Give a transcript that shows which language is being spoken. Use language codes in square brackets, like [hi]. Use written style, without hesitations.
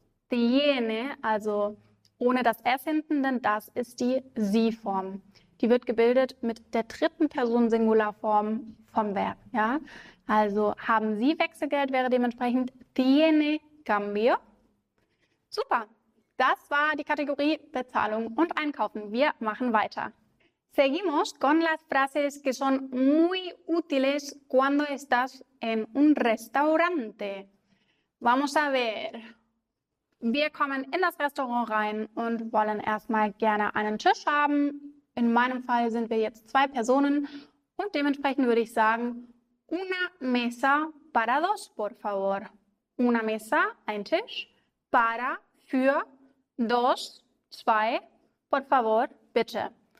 [es] ¿Tiene? [de] Also ohne das S hinten, denn das ist die Sie-Form. die wird gebildet mit der dritten Person Singularform vom Verb. Ja? Also haben Sie Wechselgeld, wäre dementsprechend [es] tiene cambio. [de] Super, das war die Kategorie Bezahlung und Einkaufen. Wir machen weiter. [es] Seguimos con las frases que son muy útiles cuando estás en un restaurante. Vamos a ver. [de] Wir kommen in das Restaurant rein und wollen erstmal gerne einen Tisch haben. In meinem Fall sind wir jetzt zwei Personen und dementsprechend würde ich sagen, [es] una mesa para dos, por favor. Una mesa, [de] ein Tisch, [es] para, für, dos, [de] zwei, [es] por favor, [de] bitte.